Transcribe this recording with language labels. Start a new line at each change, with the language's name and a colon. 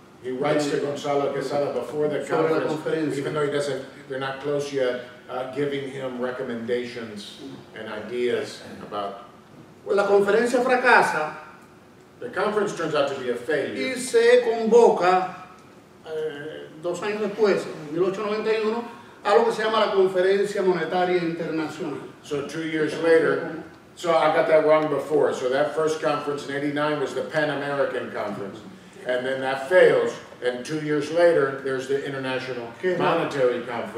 English: He writes to Gonzalo Quesada before the conference, even though he doesn't, they're not close yet, giving him recommendations and ideas about...
Spanish: La conferencia fracasa.
English: The conference turns out to be a failure.
Spanish: Y se convoca, dos años después, en 1891, a lo que se llama la Conferencia Monetaria Internacional.
English: So 2 years later, so I got that wrong before. So that first conference in 89 was the Pan American Conference. And then that fails. And 2 years later, there's the International Monetary Conference.